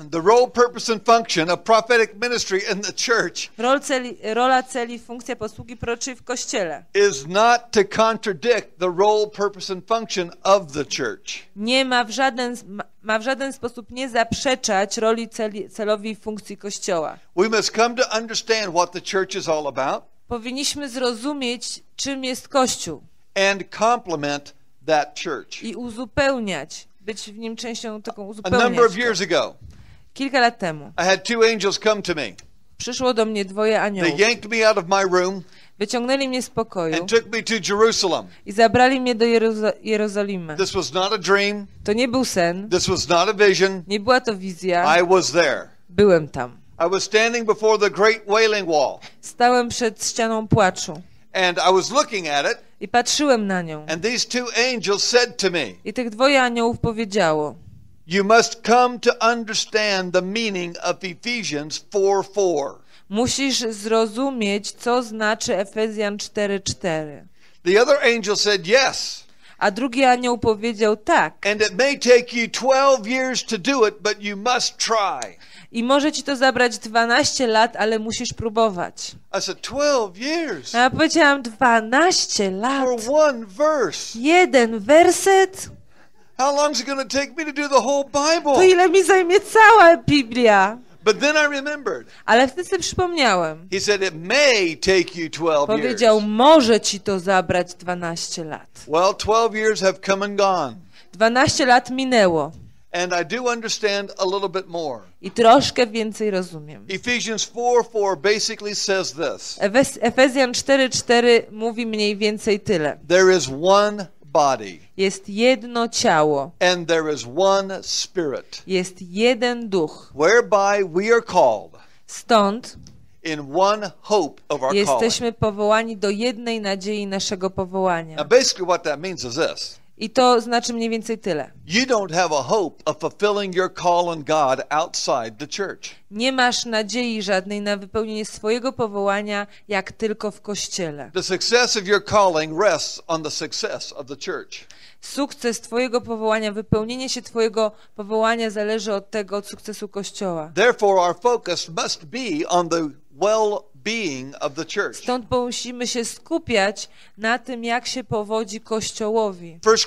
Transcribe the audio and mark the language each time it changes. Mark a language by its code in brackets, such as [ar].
[en] The role, purpose and function of prophetic ministry in the church. [pl] Rola, cel i funkcja posługi proroczej w kościele. [en] Is not to contradict the role, purpose and function of the church. [pl] Nie ma w żaden sposób nie zaprzeczać roli, celowi i funkcji kościoła. [en] We must come to understand what the church is all about. [pl] Powinniśmy zrozumieć, czym jest kościół. [en] And complement that church. [pl] I uzupełniać, być w nim częścią, taką uzupełniać. [en] A number of years ago. [pl] Kilka lat temu. [en] I had two angels come to me. [pl] Przyszło do mnie dwoje aniołów. [en] They yanked me out of my room. [pl] Wyciągnęli mnie z pokoju. [en] And took me to Jerusalem. [pl] I zabrali mnie do Jerozolimy. [en] This was not a dream. [pl] To nie był sen. [en] This was not a vision. [pl] Nie była to wizja. [en] I was there. [pl] Byłem tam. [en] I was standing before the great wailing wall. [pl] Stałem przed ścianą płaczu. [en] And I was looking at it. [pl] I patrzyłem na nią. [en] And these two angels said to me. [pl] I tych dwoje aniołów powiedziało. [en] You must come to understand the meaning of Ephesians 4:4. [pl] Musisz zrozumieć, co znaczy Efezjan 4:4. [en] The other angel said yes. [pl] A drugi anioł powiedział tak. [en] And it may take you 12 years to do it, but you must try. [pl] I może ci to zabrać 12 lat, ale musisz próbować. [en] I said, 12 years. [pl] A ja powiedziałam 12 lat. [en] For one verse. [pl] Jeden werset. [en] How long is it going to take me to do the whole Bible? [pl] To ile mi zajmie cała Biblia? [en] But then I remembered. [pl] Ale wtedy sobie przypomniałem. [en] He said it may take you 12 [pl] powiedział, [en] years. [pl] Może ci to zabrać 12 lat. [en] Well, 12 years have come and gone. [pl] 12 lat minęło. [en] And I do understand a little bit more. [pl] I troszkę więcej rozumiem. [en] Ephesians 4:4 basically says this. [pl] Efezjan 4:4 mówi mniej więcej tyle. [en] There is one body. [pl] Jest jedno ciało. [en] And there is one spirit. [pl] Jest jeden duch. [en] Whereby we are called. [pl] Stąd [en] in one hope of our [pl] jesteśmy [en] calling. [pl] Powołani do jednej nadziei naszego powołania. [en] Now basically what that means is this. [pl] I to znaczy mniej więcej tyle. [en] You don't have a hope of fulfilling your call on God outside the church. [pl] Nie masz nadziei żadnej na wypełnienie swojego powołania jak tylko w kościele. [en] The success of your calling rests on the success of the church. [pl] Sukces twojego powołania, wypełnienie się twojego powołania zależy od tego, od sukcesu kościoła. [en] Therefore our focus must be on the well being of the church. [pl] Stąd musimy się skupiać na tym, jak się powodzi kościołowi.